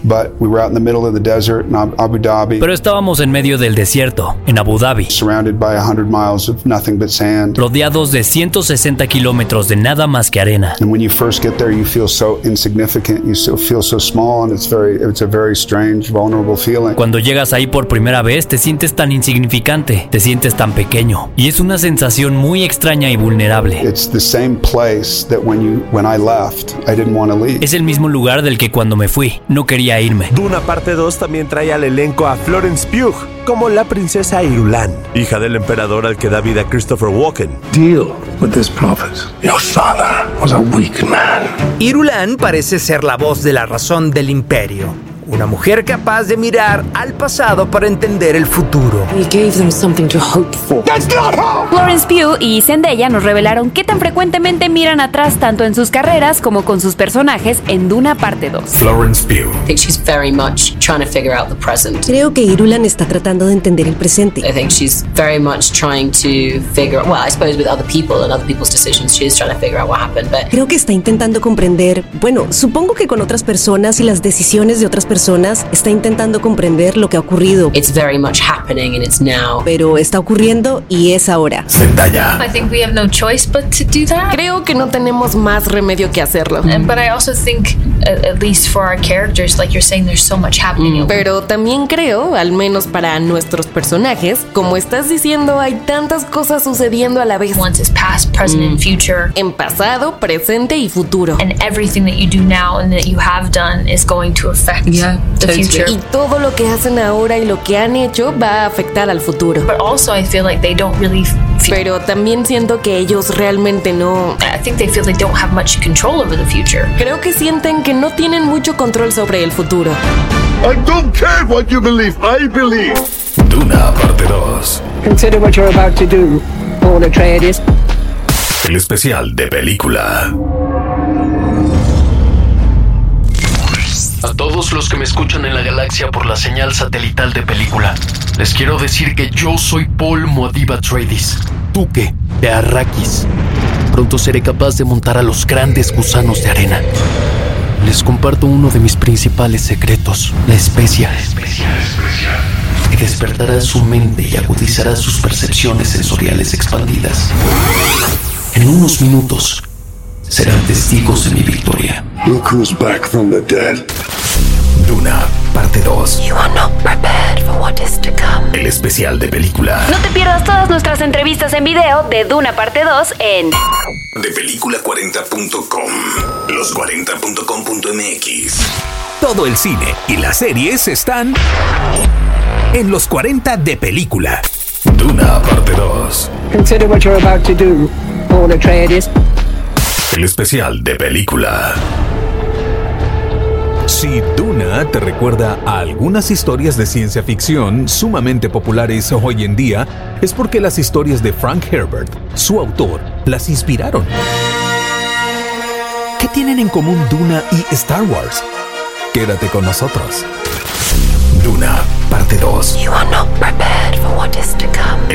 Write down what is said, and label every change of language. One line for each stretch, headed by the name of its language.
English: But we were out in the middle of the desert in Abu Dhabi.
Spanish: Pero estábamos en medio del desierto en Abu Dhabi.
English: Surrounded by 100 miles of nothing but sand.
Spanish: Rodeados de 160 kilómetros de nada más que arena.
English: And when you first get there, you feel so insignificant. You still feel so small, and it's a very strange, vulnerable feeling.
Spanish: Cuando llegas ahí por primera vez, te sientes tan insignificante, te sientes tan pequeño, y es una sensación muy extraña y vulnerable.
English: It's the same place that when I left, I didn't want to leave.
Spanish: Es el mismo lugar del que cuando me fui, no quería irme. Duna Parte 2 también trae al elenco a Florence Pugh como la princesa Irulan, hija del emperador al que da vida Christopher Walken.
English: Deal with this prophet. Your father was a weak man.
Spanish: Irulan parece ser la voz de la razón del imperio. Una mujer capaz de mirar al pasado para entender el futuro.
English: We gave them something to hope for. That's not hope.
Spanish: Florence Pugh y Zendaya nos revelaron qué tan frecuentemente miran atrás tanto en sus carreras como con sus personajes en Duna Parte 2. Florence Pugh.
English: I think she's very much trying to figure out the present.
Spanish: Creo que Irulan está tratando de entender el presente.
English: I think she's very much trying to figure out, well, I suppose with other people and other people's decisions, she's trying to figure out what happened, but
Spanish: creo que está intentando comprender, bueno, supongo que con otras personas y las decisiones de otras personas, está intentando comprender lo que ha ocurrido.
English: It's very much happening and it's now.
Spanish: Pero está ocurriendo y es ahora. Zendaya.
English: I think we have no choice but to do that.
Spanish: Creo que no tenemos más remedio que hacerlo.
English: But I also think, at least for our characters, like you're saying, there's so much happening.
Spanish: Pero también creo, al menos para nuestros personajes, como estás diciendo, hay tantas cosas sucediendo a la vez.
English: Once it's past, present, and future.
Spanish: En pasado, presente y futuro.
English: And everything that you do now and that you have done is going to affect.
Spanish: Y todo lo que hacen ahora y lo que han hecho va a afectar al futuro.
English: But also I feel like they don't really feel.
Spanish: Pero también siento que ellos realmente no.
English: I think they feel they don't have much control over the future.
Spanish: Creo que sienten que no tienen mucho control sobre el futuro.
English: I don't care what you believe. I believe.
Spanish: Duna Parte 2.
English: Consider what you're about to do, Paul Atreides.
Spanish: El especial de película. A todos los que me escuchan en la galaxia por la señal satelital de película, les quiero decir que yo soy Paul Muad'Dib Atreides, duque de Arrakis. Pronto seré capaz de montar a los grandes gusanos de arena. Les comparto uno de mis principales secretos, la especia. Que despertará su mente y agudizará sus percepciones sensoriales expandidas. En unos minutos, serán testigos de mi victoria.
English: Look who's back from the dead.
Spanish: Duna, parte 2.
English: You are not prepared for what is to come.
Spanish: El especial de película. No te pierdas todas nuestras entrevistas en video de Duna parte 2 en depelicula40.com. los40.com.mx. Todo el cine y las series están en los 40 de película. Duna parte 2.
English: Consider what you're about to do, Paul Atreides.
Spanish: El especial de película. Si Duna te recuerda a algunas historias de ciencia ficción sumamente populares hoy en día, es porque las historias de Frank Herbert, su autor, las inspiraron. ¿Qué tienen en común Duna y Star Wars? Quédate con nosotros. Duna, parte 2.
English: You are not prepared for what is to come.